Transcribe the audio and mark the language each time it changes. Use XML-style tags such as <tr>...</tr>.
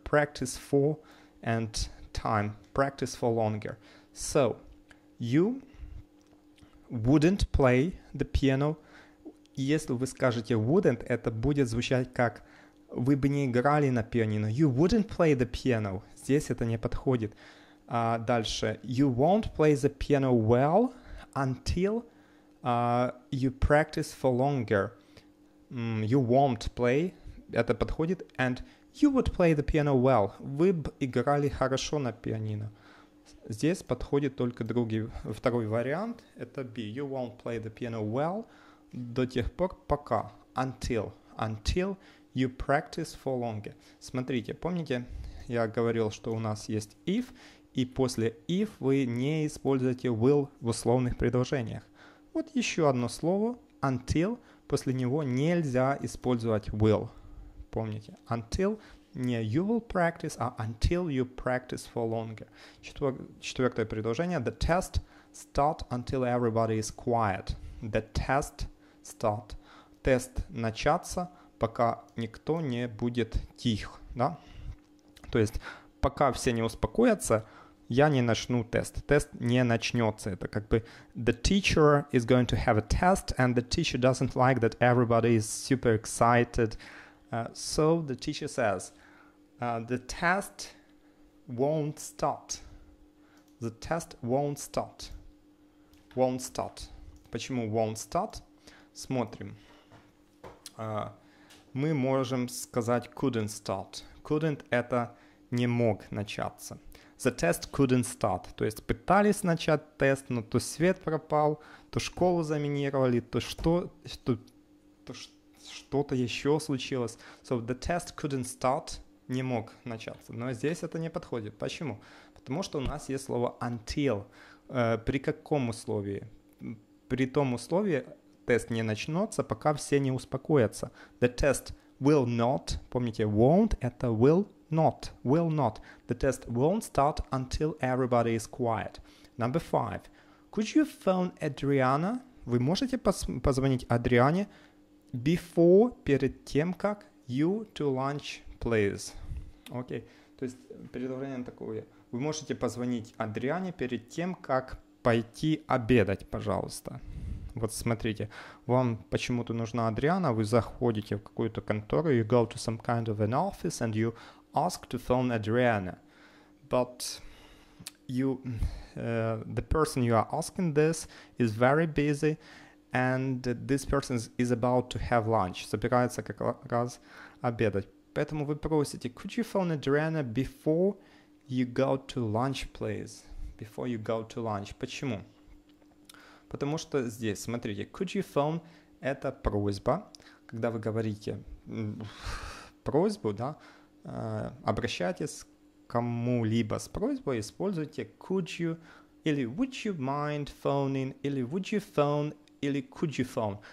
<en>Practice for and time. Practice for longer. So, you wouldn't play the piano.</en> <ru>Если вы скажете wouldn't, это будет звучать как вы бы не играли на пианино.</ru> <en>You wouldn't play the piano.</en> <ru>Здесь это не подходит. Дальше.</ru> <en>You won't play the piano well until you practice for longer. You won't play.</en> <ru>Это подходит.</ru> <en>And you would play the piano well.</en> <ru>Вы бы играли хорошо на пианино. Здесь подходит только второй вариант.</ru> <en>Это B. You won't play the piano well</en> <ru>до тех пор, пока.</ru> <en>Until. You practice for longer.</en> <ru>Смотрите, помните, я говорил, что у нас есть if, и после if вы не используете will в условных предложениях. Вот еще одно слово, until, после него нельзя использовать will.</ru> <en>Помните, until не you will practice, а until you practice for longer.</en> <ru>Четвертое предложение,</ru> <en>the test start until everybody is quiet. The test start.</en> <ru>Тест начаться, пока никто не будет тих, да? То есть, пока все не успокоятся, я не начну тест. Тест не начнется. Это как бы</ru> <en>the teacher is going to have a test and the teacher doesn't like that everybody is super excited. So the teacher says, the test won't start. The test won't start. Won't start.</en> <ru>Почему won't start? Смотрим. Мы можем сказать couldn't start. Couldn't — это не мог начаться.</ru> <en>The test couldn't start.</en> <ru>То есть пытались начать тест, но то свет пропал, то школу заминировали, то что-то еще случилось.</ru> <en>So the test couldn't start —</en> <ru>не мог начаться. Но здесь это не подходит. Почему? Потому что у нас есть слово until. При каком условии? При том условии, тест не начнется, пока все не успокоятся.</ru> <en>The test will not, помните, won't, это will not. The test won't start until everybody is quiet. Number five. Could you phone Adriana?</en> <ru>Вы можете позвонить Адриане</ru> <en>before,</en> <ru>перед тем, как</ru> <en>you to lunch, please. Окей.</en> <ru>То есть предложение такое. Вы можете позвонить Адриане перед тем, как пойти обедать, пожалуйста. Вот смотрите, вам почему-то нужна Адриана, вы заходите в какую-то контору,</ru> <en>you go to some kind of an office</en> <ru>and you ask to phone Adriana.</ru> <en>But you, the person you are asking this is very busy and this person is about to have lunch.</en> <ru>Собирается как раз обедать. Поэтому вы просите,</ru> <en>could you phone Adriana before you go to lunch, please? Before you go to lunch.</en> <ru>Почему? Потому что здесь, смотрите,</ru> <en>could you phone —</en> <ru>это просьба. Когда вы говорите просьбу, да, обращайтесь к кому-либо с просьбой, используйте could you, или</ru> <en>would you mind phoning,</en> <ru>или would you phone, или could you phone.</ru>